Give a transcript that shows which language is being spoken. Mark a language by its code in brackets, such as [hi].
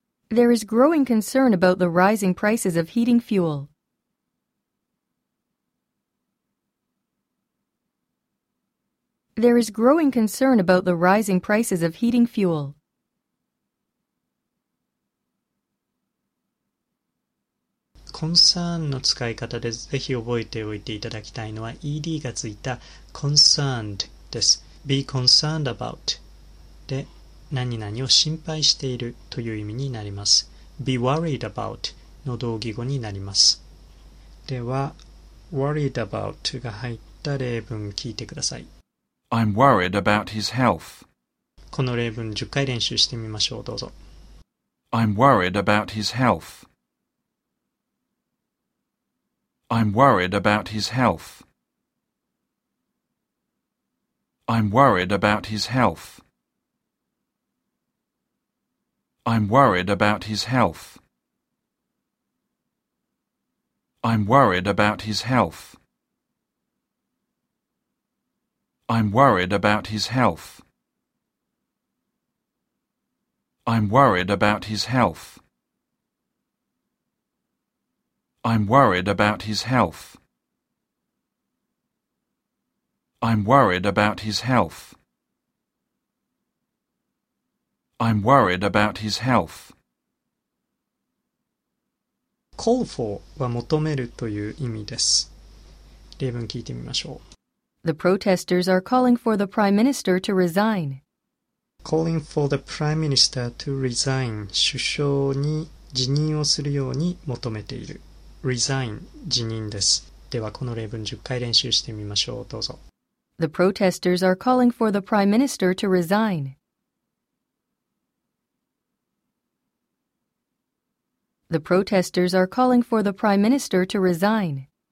[en] There is growing concern about the rising prices of heating fuel. There is growing concern about the rising prices of heating fuel. [ja] Concern の使い方でぜひ覚えておいていただきたいのは ED がついた concerned です。 [en] Be concerned about [ja] で何々を心配しているという意味になります。 [en] Be worried about [ja] の同義語になります。では、 [en] worried about [ja] が入った例文聞いてください。 [en] I'm worried about his health. [ja] この例文10回練習してみましょう。どうぞ。 [en] I'm worried about his health. I'm worried about his health. I'm worried about his health. I'm worried about his health. I'm worried about his health. I'm worried about his health. I'm worried about his health. I'm worried about his health. I'm worried about his health. I'm worried about his health. Call for [ja] は求めるという意味です。例文聞いてみましょう。 [en] The protesters are calling for the Prime Minister to resign. Calling for the Prime Minister to resign. [ja] 首相に辞任をするように求めている。 Resign、辞任です。ではこの例文10回練習してみましょう。どうぞ。 [en] The protesters are calling for the Prime Minister to resign. The protesters are calling for the Prime Minister to resign.